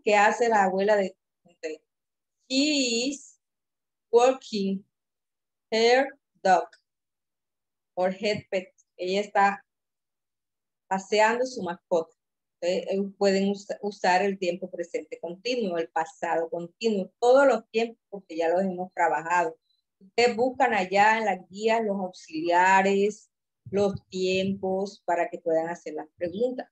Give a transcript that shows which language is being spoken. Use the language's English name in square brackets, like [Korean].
[Spanish] ¿Qué hace la abuela de Dimitri? [English] She is working her dog or her pet. [Spanish] Ella está paseando su mascota. Ustedes pueden usar el tiempo presente continuo, el pasado continuo, todos los tiempos, porque ya los hemos trabajado. Ustedes buscan allá en las guías los auxiliares, los tiempos, para que puedan hacer las preguntas.